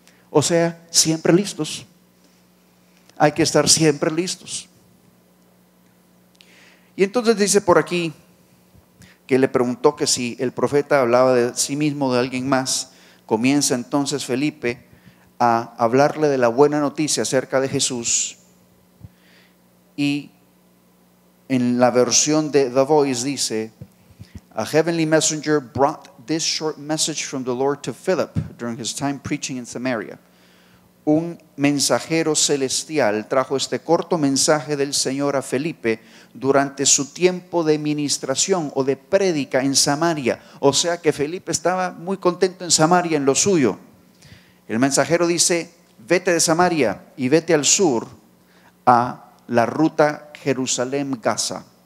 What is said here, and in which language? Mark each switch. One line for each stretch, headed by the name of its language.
Spanish: O sea, siempre listos. Hay que estar siempre listos. Y entonces dice por aquí que le preguntó que si el profeta hablaba de sí mismo o de alguien más. Comienza entonces Felipe a hablarle de la buena noticia acerca de Jesús. Y en la versión de The Voice dice,
English: a heavenly messenger brought this short message from the Lord to Philip during his time preaching in Samaria.
Spanish: Un mensajero celestial trajo este corto mensaje del Señor a Felipe durante su tiempo de ministración o de prédica en Samaria. O sea que Felipe estaba muy contento en Samaria, en lo suyo. El mensajero dice, vete de Samaria y vete al sur a la ruta Jerusalén-Gaza.